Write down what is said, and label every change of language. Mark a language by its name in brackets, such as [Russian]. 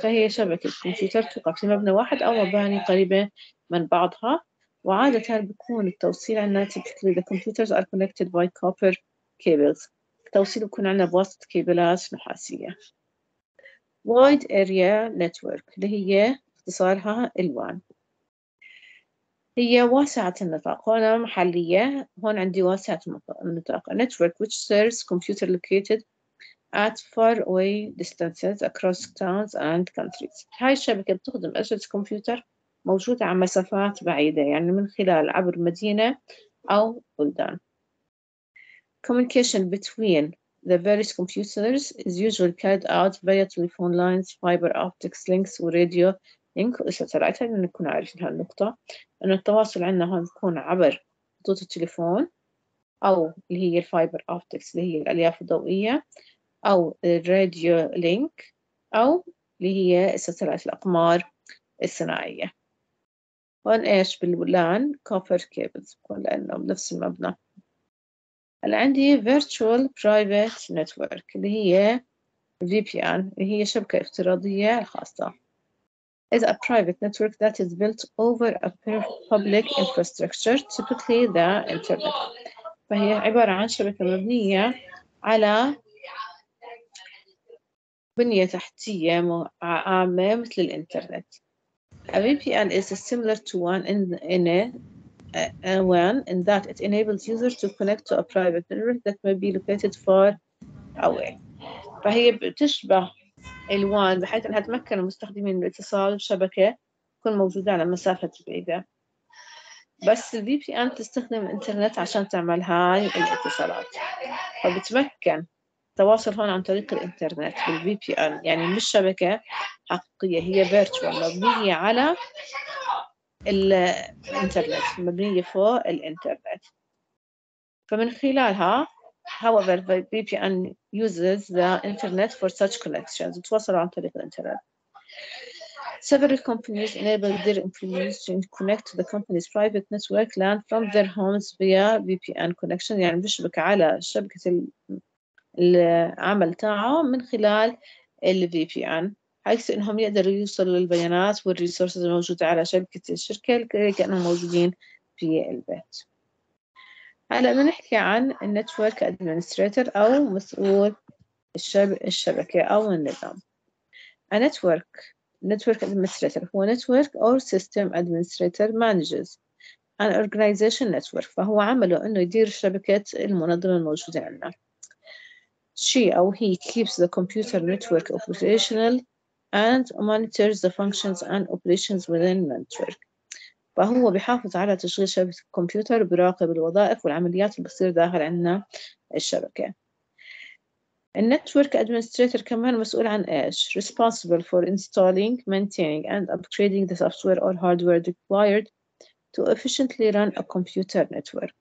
[Arabic] فهي شبكة كمبيوتر تقع في مبنى واحد أو مباني قريبة من بعضها، وعادة بيكون التوصيل عنا [English] typically the computers are connected by copper cables. [Arabic] التوصيل بيكون عنا بواسطة كابلات نحاسية. Wide area network اللي هي اختصارها الوان، هي واسعة النطاق. هنا محلية، هون عندي واسعة النطاق. [English] A network which serves computer located at far away distances across towns and countries. [Arabic] هاي الشبكة بتخدم أجهزة كمبيوتر موجودة على مسافات بعيدة، يعني من خلال عبر مدينة أو بلدان. [English] Communication between the various computers is usually carried out via telephone lines, fiber optics links, or radio link. [Arabic] وسترعيت أن نكون عارفين هالنقطة، أن التواصل عندنا هون يكون عبر خطوط التليفون أو اللي هي الفايبر أوبتكس اللي هي الألياف الضوئية، أو الراديو لينك أو اللي هي الساتلايت الأقمار الصناعية. هون إيش باللان كوبر كيبلز بكون لأنه بنفس المبنى. اللي عندي فيرتشوال برايفت نتورك اللي هي VPN اللي هي شبكة افتراضية خاصة. [English] Is a private network that is built over a public infrastructure, typically the internet. [Arabic] فهي عبارة عن شبكة مبنية على بنية تحتية عامة مثل الإنترنت. [English] A VPN is similar to one in that it enables users to connect to a private network that may be located far away. [Arabic] فهي بتشبه الوان بحيث أنها تمكن المستخدمين بالاتصال بشبكة تكون موجودة على مسافة بعيدة، بس الـ VPN تستخدم الإنترنت عشان تعمل هاي الاتصالات، فبتمكن تواصل هون عن طريق الإنترنت بالـ VPN، يعني مش شبكة حقيقية، هي virtual مبنية على الإنترنت، مبنية فوق الإنترنت. فمن خلالها [English] However, VPN uses the internet for such connections. [Arabic] تواصل عن طريق الانترنت. [English] Several companies enable their employees to connect to the company's private network LAN from their homes via VPN connection. [Arabic] يعني بيشبك على شبكة العمل تاعه من خلال ال VPN. حيث إنهم يقدروا يوصلوا للبيانات والريسورسز الموجودة على شبكة الشركة كأنهم موجودين في البيت. هلا بنحكي عن النتورك ادمنستريتور او مسؤول الشبكه او النظام. [English] a network. Network administrator هو network or system administrator manages an organization network. [Arabic] فهو عمله إنه يدير شبكة المنظمة الموجودة عندنا. [English] She or he keeps the computer network operational and monitors the functions and operations within the network. [Arabic] فهو بيحافظ على تشغيل شبكة الكمبيوتر وبيراقب الوظائف والعمليات اللي بتصير داخل عندنا الشبكة. النتورك ادمنستريتور كمان مسؤول عن ايش؟ [English] responsible for installing, maintaining and upgrading the software or hardware required to efficiently run a computer network.